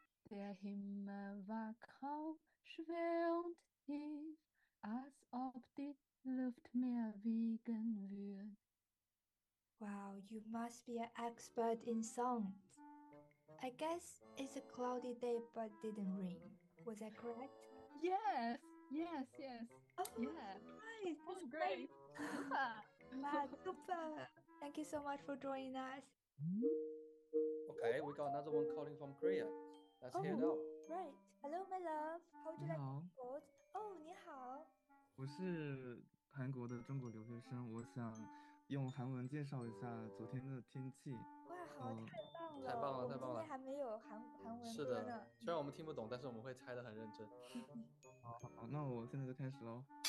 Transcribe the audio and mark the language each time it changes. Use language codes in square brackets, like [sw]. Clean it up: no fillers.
[de] Der Himmel war kaum schwer und tief, als ob die Luft mehr wiegen würde. [en] Wow, you must be an expert in songs. I guess it's a cloudy day but didn't rain. Was that correct? Yes. Oh, yeah. Nice. That's great. Super. Thank you so much for joining us. Okay, we got another one calling from Korea. Let's hear it out. Right. Hello, my love. How would you like to be called? Oh, [zh] 你好. 我是韩国的中国留学生，我想用韩文介绍一下昨天的天气。哇，好，太棒了，太棒了，太棒了！今天还没有韩文歌呢。是的，虽然我们听不懂，但是我们会猜得很认真。好，那我现在就开始喽。